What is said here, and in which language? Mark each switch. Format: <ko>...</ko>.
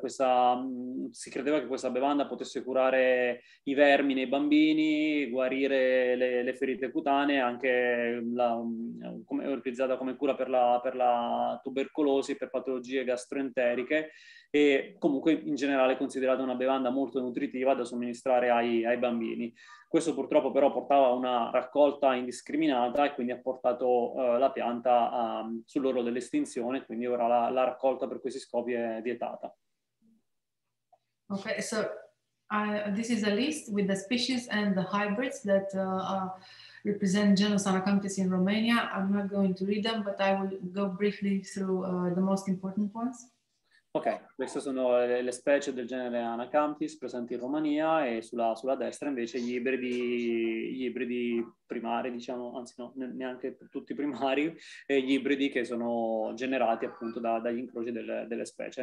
<it>Questa, si credeva che questa bevanda potesse curare i vermi nei bambini, guarire le ferite cutanee, anche la, come, utilizzata come cura per la tubercolosi, per patologie gastroenteriche, e comunque in generale considerata una bevanda molto nutritiva da somministrare ai, ai bambini. Questo purtroppo però portava a una raccolta indiscriminata e quindi ha portato la pianta sull'orlo dell'estinzione, quindi ora la, la raccolta per questi scopi è vietata.</it> <en>Ok, so this is a list with the species and the hybrids that represent genus Anacanthus in Romania. I'm not going to read them, but I will go briefly through the most important ones.</en> <it>Ok, queste sono le specie del genere Anacanthus presenti in Romania, e sulla, sulla destra invece gli ibridi primari, diciamo, anzi no, neanche tutti primari, e gli ibridi che sono generati appunto da, dagli incroci delle, delle specie.</it>